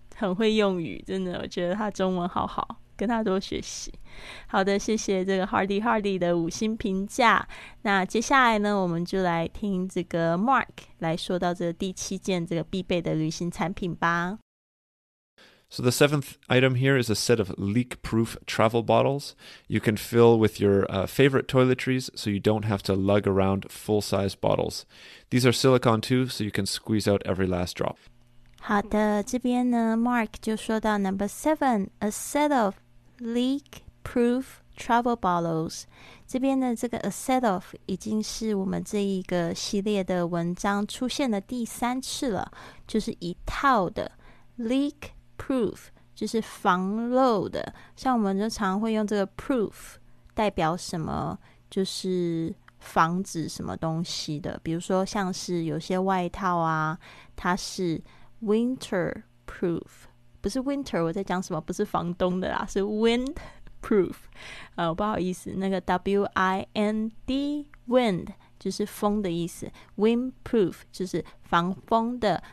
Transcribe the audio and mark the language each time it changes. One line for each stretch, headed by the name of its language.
Chinese: 很会用语，真的，我觉得他中文好好，跟他多学习。好的，谢谢这个 Hardy Hardy 的五星评价。那接下来呢，我们就来听这个 Mark 来说到这个第七件这个必备的旅行产品吧。
English: So the seventh item here is a set of leak-proof travel bottles. You can fill with your favorite toiletries so you don't have to lug around full-size bottles. These are silicone too, so you can squeeze out every last drop.
Chinese: 好的，这边呢 ,Mark 就说到
English: number seven, a set of leak-proof travel bottles.
Chinese: 这边的这个
English: a set of
Chinese: 已经是我们这一个系列的文章出现的第三次了，就是一套的 leak-proof. Proof 就是防漏的，像我们就常会用这个 proof 代表什么，就是防止什么东西的，比如说像是有些外套啊，它是 winter proof， 不是 winter， 我在讲什么，不是防冬的啦，是 wind proof、不好意思，那个 wind wind就是风的意思， windproof 就是防风的。